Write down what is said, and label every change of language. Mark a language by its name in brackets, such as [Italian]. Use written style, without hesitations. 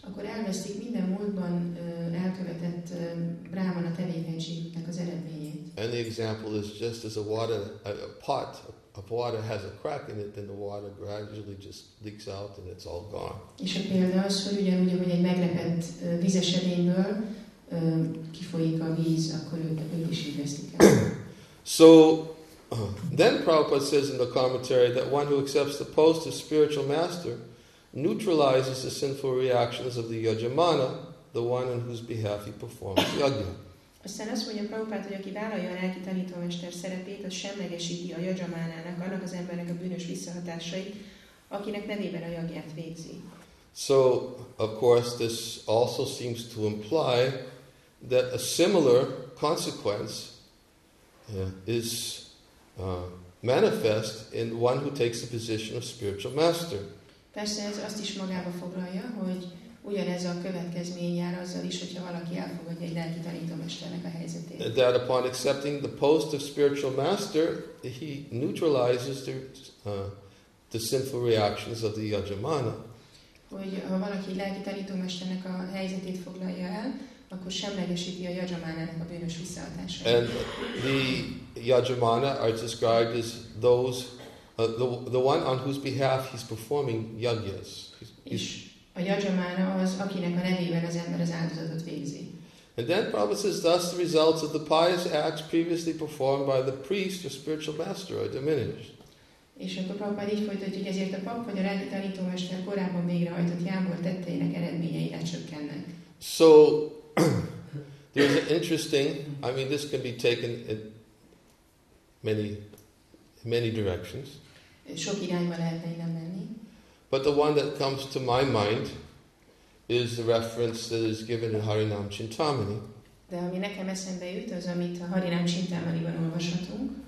[Hungarian] Akkor elvesztik minden múltban elkövetett brahmana tevékenységnek az eredményét. [English] And the example is just as a pot of water has a crack in it, then the water gradually just leaks out and it's all gone. [Hungarian] És a példa az, hogy ugyanúgy, ahogy egy meglepett vízes edényből kifolyik a víz, akkor ők is így veszik el. [English] So, then Prabhupada says in the commentary that one who accepts the post of spiritual master neutralizes the sinful reactions of the yajamana, the one on whose behalf he performs yajna. [Hungarian] Aztán azt mondja Prabhupada, hogy aki vállalja a lelki tanítómester szerepét, az semlegesíti a yajamanának, annak az embernek a bűnös visszahatásait, akinek nevében a yajnát végzi. [English] So, of course, this also seems to imply that a similar consequence is manifest in one who takes the position of spiritual master. [Hungarian] Persze, ez azt is magába foglalja, hogy ugyanez a következmény jár azzal is, hogyha valaki elfogadja egy lelki tanítómesternek a helyzetét. [English] That upon accepting the post of spiritual master, he neutralizes the sinful reactions of the yajamana. [Hungarian] Hogy ha valaki lelki tanítómesternek a helyzetét foglalja el, akkor semlegesíti a yajamanának a bűnös visszahatását. [English] And the yajamana are described as those the one on whose behalf he's performing yajnas. [Hungarian] A yajamana az, akinek a nevében az ember az áldozatot végzi. [English] And then Prabhupada says, thus the results of the pious acts previously performed by the priest or spiritual master are diminished. [Hungarian] És akkor Prabhupada így folytatja, hogy ezért a pap vagy a lelki tanítómester korábban végrehajtott jámbor tetteinek eredményei lecsökkennek. [English] So, there's an interesting, I mean, this can be taken in many, many directions. [Hungarian] Sok irányba lehetne innen menni. [English] But the one that comes to my mind is the reference that is given in Harinam Chintamani. [Hungarian] De ami nekem eszembe jut, az amit a Harinam Chintamaniban olvashatunk.